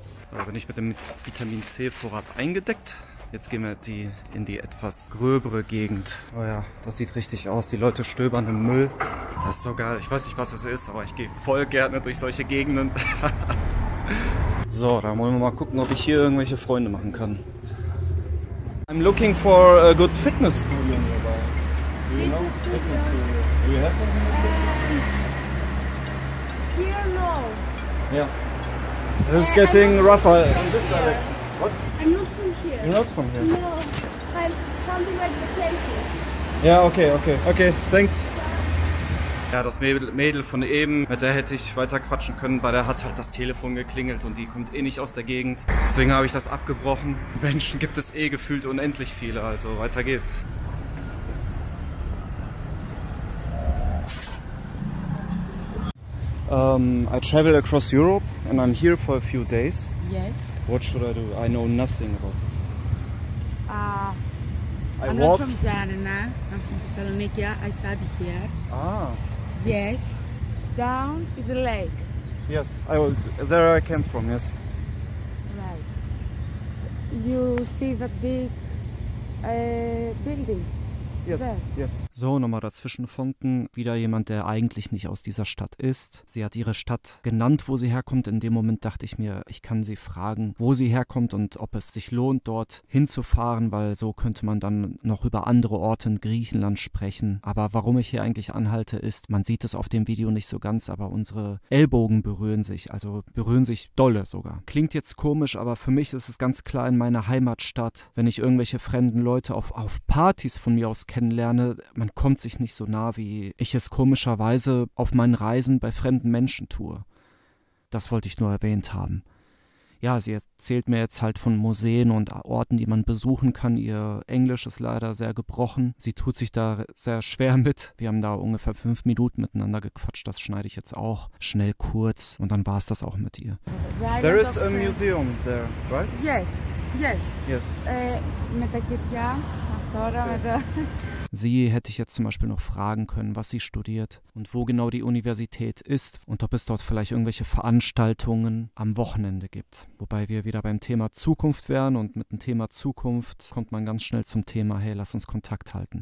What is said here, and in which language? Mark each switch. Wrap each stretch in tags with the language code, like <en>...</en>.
<de>Da bin ich mit dem Vitamin C Vorrat eingedeckt. Jetzt gehen wir in die etwas gröbere Gegend. Oh ja, das sieht richtig aus. Die Leute stöbern im Müll. Das ist so geil. Ich weiß nicht, was es ist, aber ich gehe voll gerne durch solche Gegenden. So, da wollen wir mal gucken, ob ich hier irgendwelche Freunde machen kann.</de> <en>I'm looking for a good fitness studio nearby. Do you know fitness studio? Do you have something like this? Here, no. Yeah. This is getting rougher. From this direction. What? I'm not from here. You're not from here? No. I'm something like the place. Yeah, okay, thanks.</en> <de>Ja, das Mädel von eben, mit der hätte ich weiter quatschen können, weil der hat halt das Telefon geklingelt und die kommt eh nicht aus der Gegend. Deswegen habe ich das abgebrochen. Menschen gibt es eh gefühlt unendlich viele, also weiter geht's.</de> <en>I travel across Europe and I'm here for a few days. Yes. What should I do? I know nothing about this. I'm not from Tirana. I'm from Thessaloniki. I study here. Ah. Yes. Down is the lake. Yes, I will. There I came from, yes. Right. You see the big building? Yes. There. Yeah.</en> <de>So, nochmal dazwischen funken. Wieder jemand, der eigentlich nicht aus dieser Stadt ist. Sie hat ihre Stadt genannt, wo sie herkommt. In dem Moment dachte ich mir, ich kann sie fragen, wo sie herkommt und ob es sich lohnt, dort hinzufahren, weil so könnte man dann noch über andere Orte in Griechenland sprechen. Aber warum ich hier eigentlich anhalte, ist, man sieht es auf dem Video nicht so ganz, aber unsere Ellbogen berühren sich, also berühren sich dolle sogar. Klingt jetzt komisch, aber für mich ist es ganz klar in meiner Heimatstadt, wenn ich irgendwelche fremden Leute auf Partys von mir aus kennenlerne, man kommt sich nicht so nah, wie ich es komischerweise auf meinen Reisen bei fremden Menschen tue. Das wollte ich nur erwähnt haben. Ja, sie erzählt mir jetzt halt von Museen und Orten, die man besuchen kann. Ihr Englisch ist leider sehr gebrochen. Sie tut sich da sehr schwer mit. Wir haben da ungefähr 5 Minuten miteinander gequatscht. Das schneide ich jetzt auch schnell kurz. Und dann war es das auch mit ihr.</de> <en>There is a museum there, right? Yes, yes. Yes.</en> <de>Mit der Kirche, Astora, mit der... Sie hätte ich jetzt zum Beispiel noch fragen können, was sie studiert und wo genau die Universität ist und ob es dort vielleicht irgendwelche Veranstaltungen am Wochenende gibt. Wobei wir wieder beim Thema Zukunft wären und mit dem Thema Zukunft kommt man ganz schnell zum Thema, hey, lass uns Kontakt halten.</de>